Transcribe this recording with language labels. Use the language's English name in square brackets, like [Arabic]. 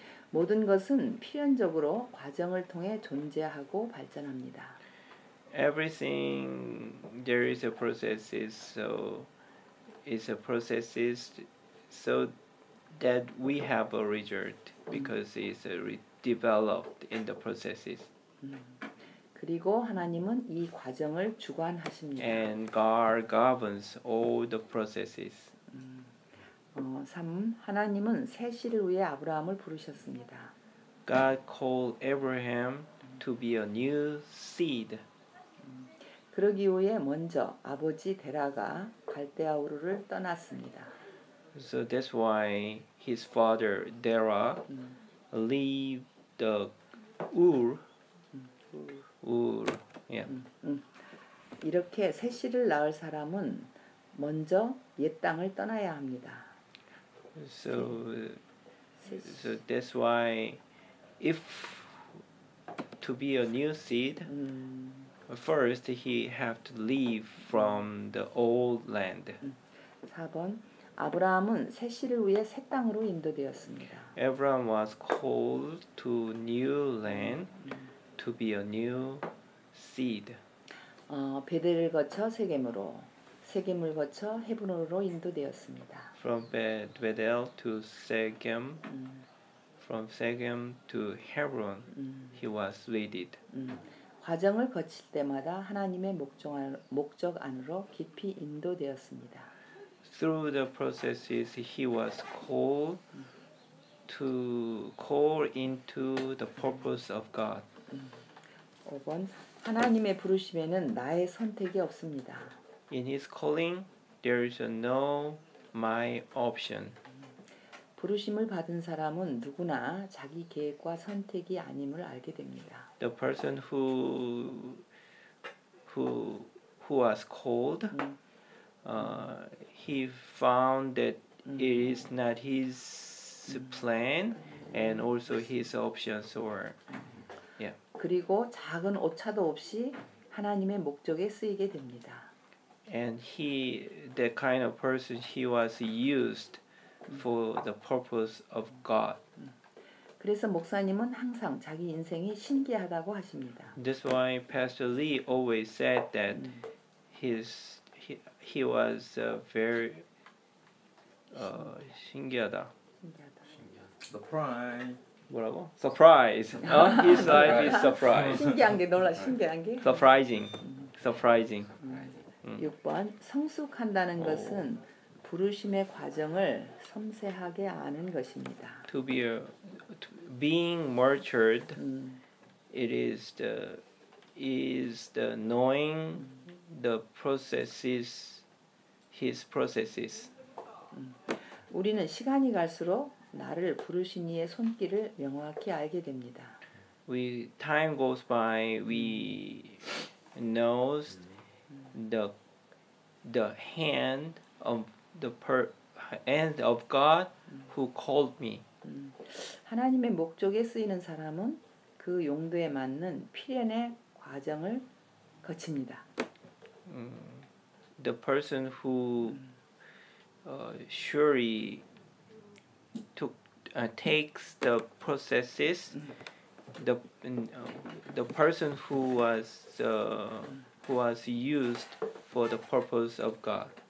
[Korean] 모든 것은 필연적으로 과정을 통해 존재하고 발전합니다. [English] Everything there is a process so that we have a result because it's developed in the processes. [Korean] 그리고 하나님은 이 과정을 주관하십니다. [English] And God governs all the processes. [Korean] 3. 하나님은 새 씨를 위해 아브라함을 부르셨습니다. [English] God called Abraham to be a new seed. [Korean] 그러기 위해 먼저 아버지 데라가 갈대아 우르를 떠났습니다. [English] So that's why his father, Dera, leave the Ur. Ur. Yeah. [Korean] 이렇게 새 씨를 낳을 사람은 먼저 옛 땅을 떠나야 합니다. [English] So that's why if to be a new seed, first he have to leave from the old land. [Korean] 4번, 아브라함은 새 씨를 위해 새 땅으로 인도되었습니다. [English] Abraham was called to new land to be a new seed. [Korean] 베델을 거쳐 세겜으로, 세겜을 거쳐 헤브론으로 인도되었습니다. [English] From Bethel to Shechem, from Shechem to Hebron, he was led. [Korean] 과정을 거칠 때마다 하나님의 목적 안으로 깊이 인도되었습니다. [English] Through the processes, he was called into the purpose of God. [Korean] 5번, 하나님의 부르심에는 나의 선택이 없습니다. [English] In his calling, there is no my option. [Korean] 부르심을 받은 사람은 누구나 자기 계획과 선택이 아님을 알게 됩니다. [English] The person who was called, he found that it is not his plan and also his options or yeah. [Korean] 그리고 작은 오차도 없이 하나님의 목적에 쓰이게 됩니다. [English] And he, the kind of person, he was used for the purpose of God. [Korean] 그래서 목사님은 항상 자기 인생이 신기하다고 하십니다. [English] That's why Pastor Lee always said that he was very 신기하다. The prime. 뭐라고? Surprise. His life is surprise. [Korean] 신기한 게 놀라 신기한 게. [English] Surprising. Surprising. [Korean] 6번 성숙한다는 것은 부르심의 과정을 섬세하게 아는 것입니다. [English] To be a being matured, it is the knowing the processes, his processes. [Korean] 우리는 시간이 갈수록 나를 부르신 이의 손길을 명확히 알게 됩니다. [English] We time goes by, we knows the hand of the hand of God who called me. [Korean] 하나님의 목적에 쓰이는 사람은 그 용도에 맞는 필연의 과정을 거칩니다. [English] The person who surely takes the processes, the person who was used for the purpose of God.